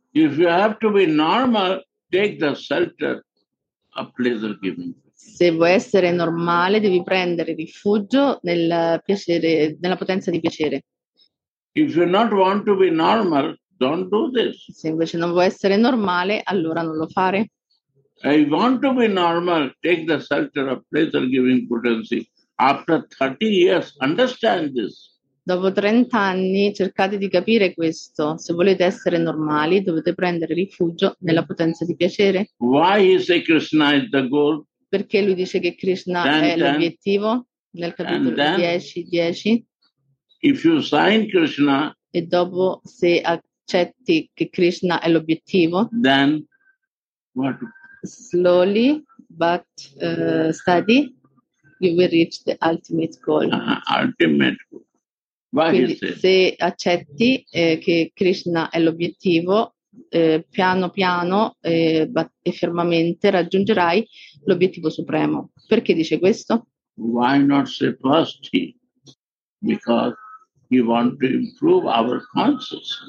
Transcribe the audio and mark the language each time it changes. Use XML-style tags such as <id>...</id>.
<en>If you have to be normal, take the shelter of pleasure giving.</en> <it>Se vuoi essere normale, devi prendere rifugio nel piacere, nella potenza di piacere.</it> <en>If you not want to be normal, don't do this.</en> <it>Se invece non vuoi essere normale, allora non lo fare.</it> <en>I want to be normal, take the shelter of pleasure giving potency. After 30 years, understand this.</en> <it>Dopo 30 anni cercate di capire questo. Se volete essere normali, dovete prendere rifugio nella potenza di piacere.</it> <en>Why he say Krishna is the goal?</en> <it>Perché lui dice che Krishna è l'obiettivo nel capitolo 10.</it> <en>If you sign Krishna,</en> <it>e dopo se accetti che Krishna è l'obiettivo,</it> <en>then what? Slowly but steady, you will reach the ultimate goal. Ultimate goal.</en> <it>Quindi se accetti che Krishna è l'obiettivo, piano piano e fermamente raggiungerai l'obiettivo supremo. Perché dice questo?</it> <en>Why not say first he? Because he want to improve our consciousness.</en>